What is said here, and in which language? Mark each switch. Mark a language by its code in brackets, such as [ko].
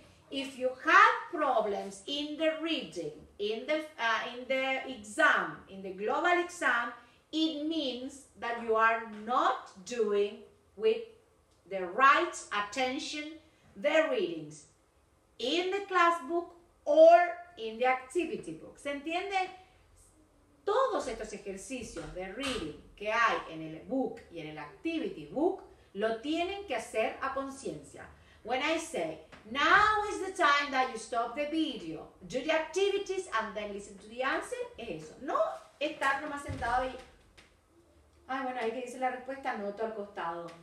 [en] If you have problems in the reading, in the exam, in the global exam, it means that you are not doing with the right attention the readings. In the class book, or in the activity book. [es] ¿Se entiende? Todos estos ejercicios de reading que hay en el book y en el activity book lo tienen que hacer a conciencia. [en] When I say, now is the time that you stop the video, do the activities and then listen to the answer, [es] es eso. No estar nomás sentado y, ay, bueno, ahí que dice la respuesta, noto al costado.